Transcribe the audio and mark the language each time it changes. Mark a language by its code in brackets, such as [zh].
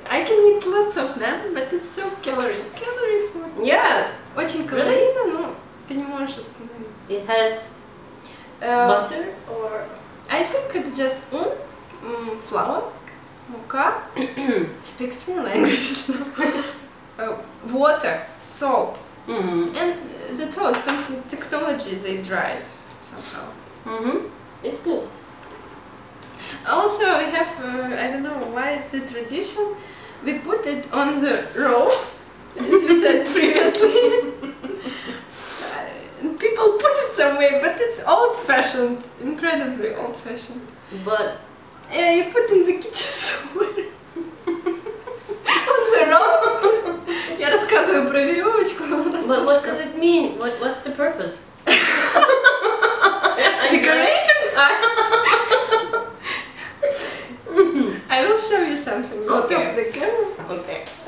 [en] I can eat lots of them, but it's so calorie food. Yeah. [ru] Очень калорийно, но ты не можешь остановиться. [en] It has butter or... I think it's just flour, мука. Speak to me language. water, salt. Mm-hmm. And that's all, some technology they dried somehow. Mm-hmm. It's good. Also, we have, I don't know why it's a tradition, we put it on the roll, as you said previously. people put it somewhere, but it's old-fashioned, incredibly old-fashioned. But? Yeah, you put it in the kitchen somewhere. on the roll. [ru] Я рассказываю про веревочку, но у нас... [en] But what does it mean? What's the purpose? Decoration? I will show you something. You okay. Stop the camera. Okay.